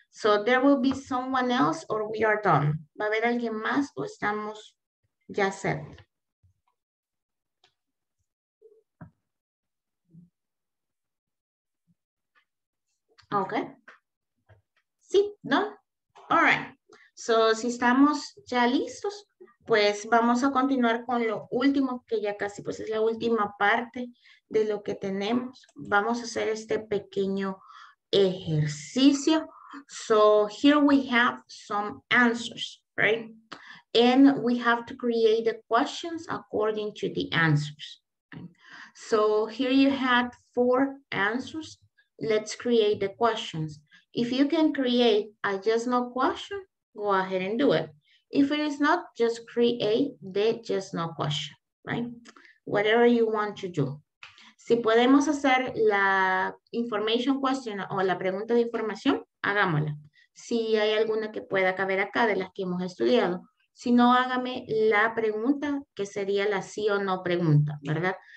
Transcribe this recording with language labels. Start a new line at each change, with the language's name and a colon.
English: So there will be someone else or we are done.
Spanish: ¿Va a haber alguien más o estamos ya set?
English: Okay.
Spanish: Sí, ¿no?
English: All right.
Spanish: So si estamos ya listos, pues vamos a continuar con lo último que ya casi pues es la última parte de lo que tenemos. Vamos a hacer este pequeño ejercicio.
English: So here we have some answers, right? And we have to create the questions according to the answers. So here you had four answers. Let's create the questions. If you can create a just no question, go ahead and do it. If it is not, just create the just no question, right? Whatever you want to do.
Spanish: Si podemos hacer la
English: information question
Spanish: o la pregunta de información, hagámosla. Si hay alguna que pueda caber acá de las que hemos estudiado. Si no, hágame la pregunta que sería la sí o no pregunta, ¿verdad?